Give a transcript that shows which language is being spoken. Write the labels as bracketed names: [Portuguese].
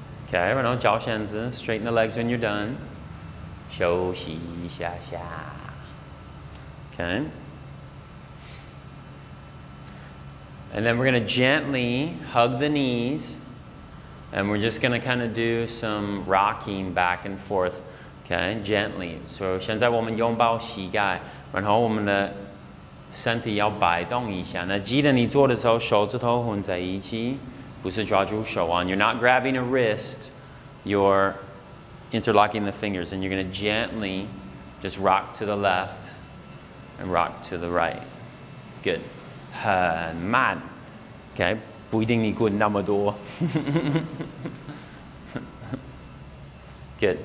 [Chinese] Okay, 然后脚先子 ， [English] straighten the legs when you're done. [Chinese] 休息一下下。Okay. [English] And then we're going to gently hug the knees. And we're just going to kind of do some rocking back and forth. Okay, gently. [Chinese] So 现在我们拥抱膝盖，然后我们的身体要摆动一下。那记得你做的时候，手指头混在一起，不是抓住手腕。 [English] You're not grabbing a wrist. You're interlocking the fingers, and you're going to gently just rock to the left and rock to the right. [Chinese] Good. 很慢 Okay, 不一定你滚那么多 Good.